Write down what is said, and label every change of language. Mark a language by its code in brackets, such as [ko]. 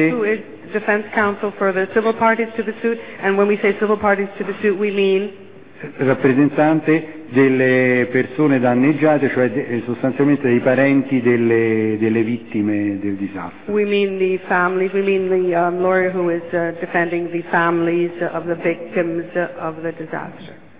[en] Marini, who is defense counsel for the civil parties to the suit, and when we say civil parties to the suit, we mean [it] rappresentante delle persone danneggiate, cioè sostanzialmente dei parenti delle vittime del disastro. [en] We mean the families. We mean the lawyer who is defending the families of the victims of the disaster.